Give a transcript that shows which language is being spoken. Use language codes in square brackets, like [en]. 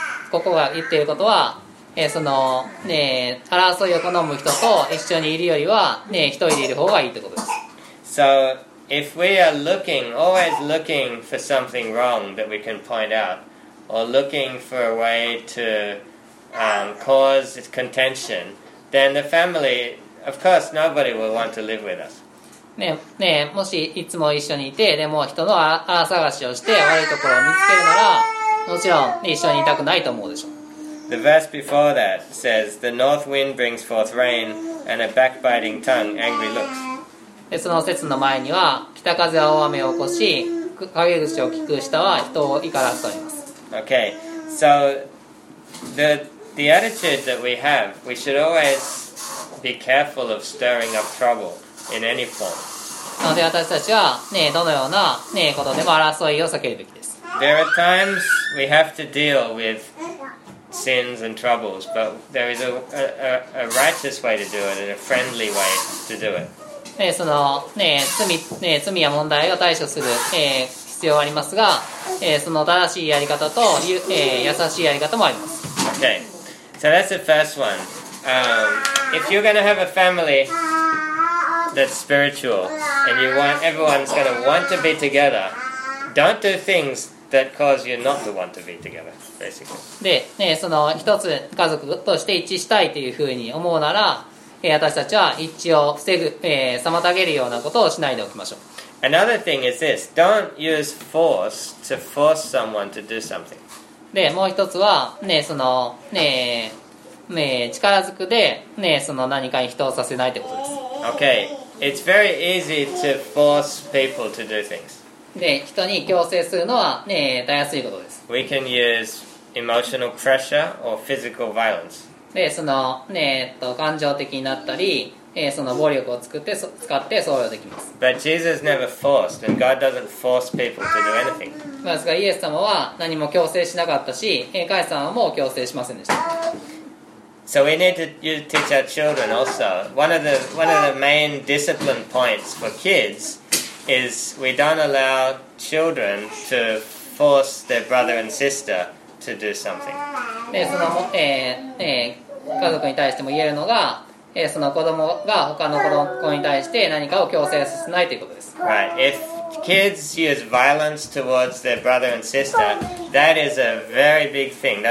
[ja] ここが言っていることは、その、ね、争いを好む人と一緒にいるよりは、ね、一人でいる方がいいということです。 [en] So, if we are looking, always looking for something wrong that we can point out, or looking for a way to, cause contention, then the family, of course, nobody will want to live with us. [ja] ねね、もしいつも一緒にいてでも人の探しをして悪いところを見つけるならもちろん一緒にいたくないと思うでしょう。 [en] The verse before that says The north wind brings forth rain and a backbiting tongue angry looks. [ja] でその説の前には北風は大雨を起こし陰口を聞く舌は人を怒らすと言います。 [en] Okay, so the attitude that we have we should always be careful of stirring up troubleIn any form. [ja] なので私たちは、ね、どのような、ね、ことでも争いを避けるべきです。 [en] There are times we have to deal with sins and troubles, but there is a righteous way to do it and a friendly way to do it. [ja] その、ね、罪や問題を対処する、必要はありますが、その正しいやり方と、優しいやり方もあります。 [en] Okay. So that's the first one. If you're going to have a family that's spiritual and you want everyone's going to want to be together, don't do things that cause you not to want to be together, basically. [ja] で、ね、その一つ家族として一致したいというふうに思うなら、私たちは一致を防ぐ、妨げるようなことをしないでおきましょう。 [en] Another thing is this: don't use force to force someone to do something. [ja] で、もう一つはね、そのね、力ずくでね、その何かに人をさせないということです。 [en] Okay, it's very easy to force people to do things. [ja] で、人に強制するのはね、たやすいことです。 [en] We can use emotional pressure or physical violence. [ja] でそのね感情的になったり、その暴力を使ってそうできます。 [en] But Jesus never forced, and God doesn't force people to do anything. [ja] ですがイエス様は何も強制しなかったし、神様も強制しませんでした。 [en] So we need to teach our children also. One of the main discipline points for kids is we don't allow children to force their brother and sister. [ja] でその、家族に対しても言えるのが、その子供が他の子供に対して何かを強制させないということです。 [en] Right. If kids use violence towards their brother and sister, that is a very big thing.